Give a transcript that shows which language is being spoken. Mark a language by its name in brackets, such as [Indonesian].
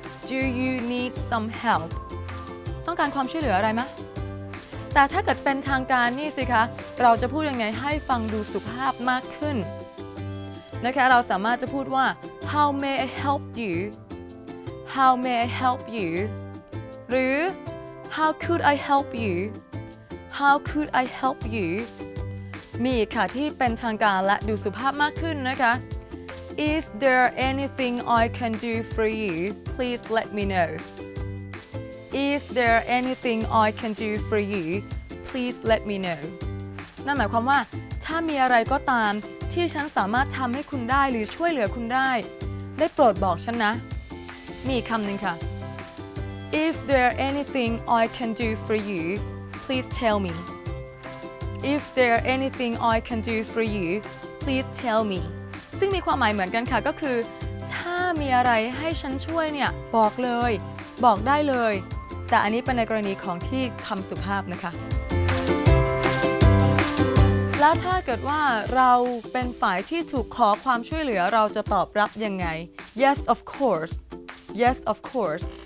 [English] Do you need some help? [Thai] ต้องการความช่วยเหลืออะไรมะแต่ถ้าเกิดเป็นทางการนี่สิคะเราจะพูดยังไงให้ฟังดูสุภาพมากขึ้นนะคะเราสามารถจะพูดว่า [English] How may I help you? How may I help you? [Thai] หรือ [English] How could I help you? How could I help you? [Thai] มีค่ะที่เป็นทางการและดูสุภาพมากขึ้นนะคะ [English] Is there anything I can do for you? Please let me know. Is there anything I can do for you? Please let me know. [Thai] นั่นหมายความว่าถ้ามีอะไรก็ตามที่ฉันสามารถทำให้คุณได้หรือช่วยเหลือคุณได้ได้โปรดบอกฉันนะมีคำหนึ่งค่ะ [English] If there anything I can do for you, please tell me. If there anything I can do for you, please tell me. [Thai] ซึ่งมีความหมายเหมือนกันค่ะก็คือถ้ามีอะไรให้ฉันช่วยเนี่ยบอกเลยบอกได้เลยแต่อันนี้เป็นในกรณีของที่คำสุภาพนะคะแล้วถ้าเกิดว่าเราเป็นฝ่ายที่ถูกขอความช่วยเหลือเราจะตอบรับยังไง [English] Yes, of course. Yes, of course.